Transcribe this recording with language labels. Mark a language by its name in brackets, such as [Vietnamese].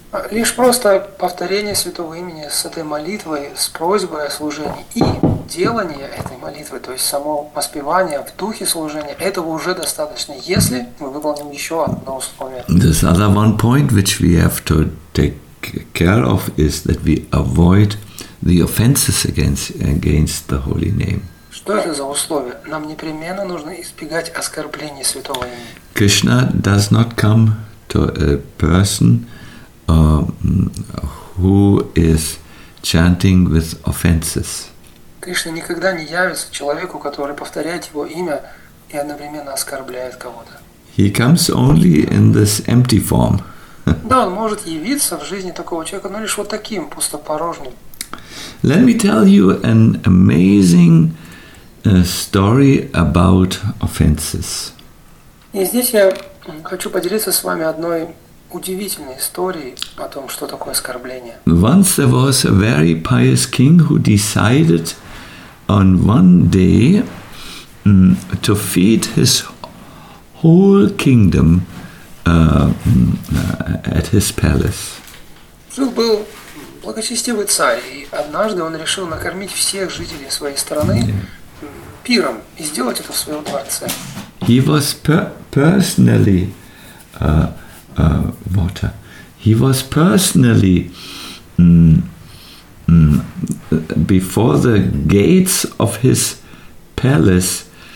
[Russian] Лишь просто повторение святого имени с этой молитвой, с просьбой о служении и делание этой молитвы, то есть само воспевание в духе служения, этого уже достаточно, если мы выполним еще одно условие. [English] This other one point which we have to take care of is that we avoid the offenses against the holy name. [Russian] Что это за условие? Нам непременно нужно избегать оскорблений святого имени. [English] Krishna does not come to a person who is chanting with offenses. [Russian] Кришна никогда не явится человеку, который повторяет его имя и одновременно оскорбляет кого-то. [English] He comes only in this empty form. [Russian] Да, он может явиться в жизни такого человека, но лишь вот таким, пустопорожним. [English] Let me tell you an amazing story about offenses. [Russian] И здесь я хочу поделиться с вами одной удивительной истории о том, что такое оскорбление. [English] Once there was a very pious king who decided on one day to feed his whole kingdom at his palace. [Russian] Жил был благочестивый царь, и однажды он решил накормить всех жителей своей страны пиром и сделать это в своем дворце. [English] He was personally He was personally before the gates of his palace